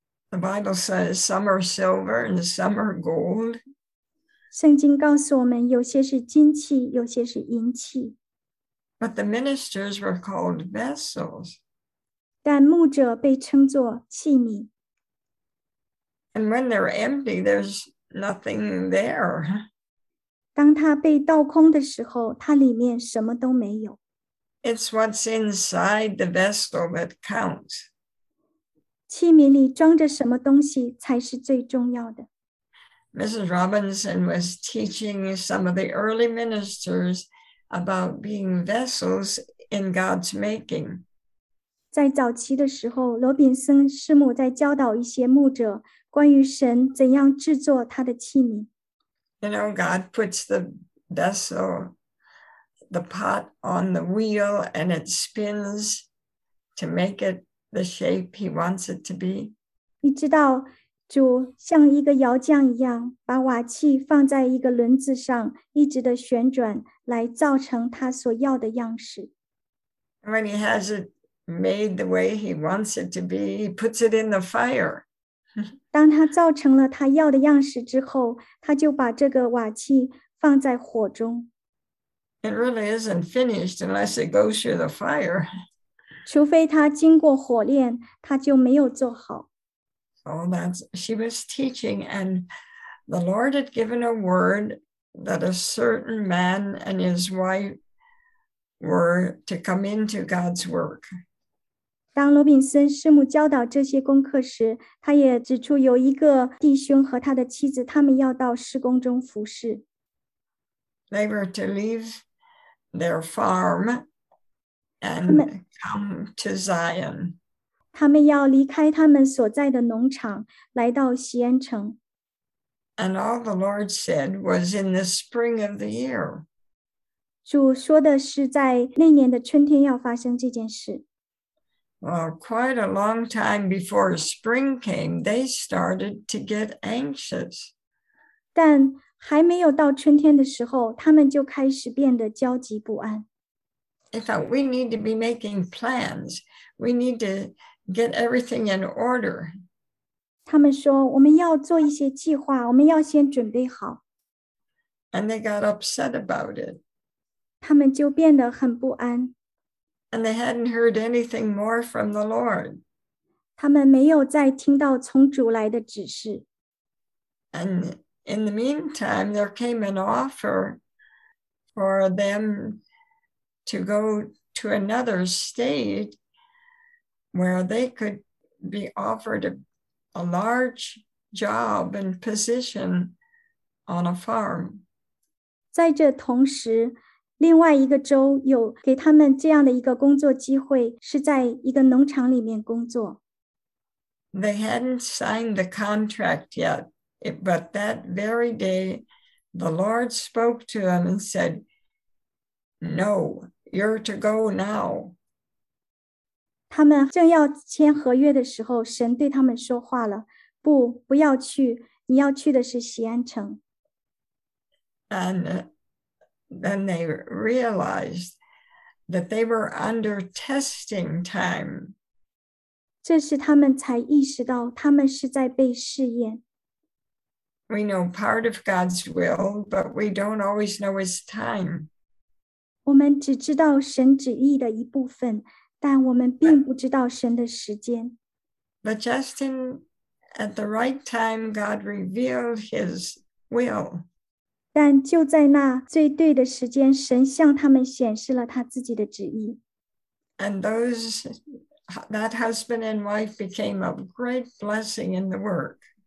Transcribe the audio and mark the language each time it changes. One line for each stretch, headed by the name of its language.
English: The Bible says some are silver and some are gold.
Chinese: 圣经告诉我们，有些是金器，有些是银器。
English: But the ministers were called vessels.
Chinese: 但牧者被称作器皿。
English: And when they're empty, there's nothing there.
Chinese: 当它被倒空的时候，它里面什么都没有。
English: It's what's inside the vessel that counts.
Chinese: 器皿里装着什么东西才是最重要的。
English: Mrs. Robinson was teaching some of the early ministers about being vessels in God's making.
Chinese: 在早期的时候，罗宾森师母在教导一些牧者关于神怎样制作他的器皿。
English: You know, God puts the vessel, the pot on the wheel, and it spins to make it the shape he wants it to be.
Chinese: 你知道，主像一个窑匠一样，把瓦器放在一个轮子上，一直的旋转，来造成他所要的样式。
English: When he has it made the way he wants it to be, he puts it in the fire.
Chinese: 当他造成了他要的样式之后，他就把这个瓦器放在火中。
English: It really isn't finished unless it goes through the fire.
Chinese: 除非他经过火炼，他就没有做好。
English: So that's, she was teaching, and the Lord had given a word that a certain man and his wife were to come into God's work.
Chinese: 当罗宾森师母教导这些功课时，他也指出有一个弟兄和他的妻子，他们要到施工中服侍。
English: They were to leave their farm and come to Zion.
Chinese: 他们要离开他们所在的农场，来到锡安城。
English: And all the Lord said was in the spring of the year.
Chinese: 主说的是在那年的春天要发生这件事。
English: Well, quite a long time before spring came, they started to get anxious.
Chinese: 但还没有到春天的时候，他们就开始变得焦急不安。
English: They thought, we need to be making plans. We need to get everything in order.
Chinese: 他们说，我们要做一些计划，我们要先准备好。
English: And they got upset about it.
Chinese: 他们就变得很不安。
English: And they hadn't heard anything more from the Lord.
Chinese: 他们没有再听到从主来的指示。
English: And in the meantime, there came an offer for them to go to another state where they could be offered a large job and position on a farm.
Chinese: 在这同时，另外一个州有给他们这样的一个工作机会，是在一个农场里面工作。
English: They hadn't signed the contract yet, but that very day, the Lord spoke to them and said, No, you're to go now.
Chinese: 他们正要签合约的时候，神对他们说话了，不，不要去，你要去的是锡安城。
English: Then they realized that they were under testing time.
Chinese: 这是他们才意识到他们是在被试验。
English: We know part of God's will, but we don't always know His time.
Chinese: 我们只知道神旨意的一部分，但我们并不知道神的时间。
English: But just in at the right time, God revealed His will.
Chinese: 但就在那最对的时间，神向他们显示了他自己的旨意。
English: And that husband and wife became a great blessing in the work.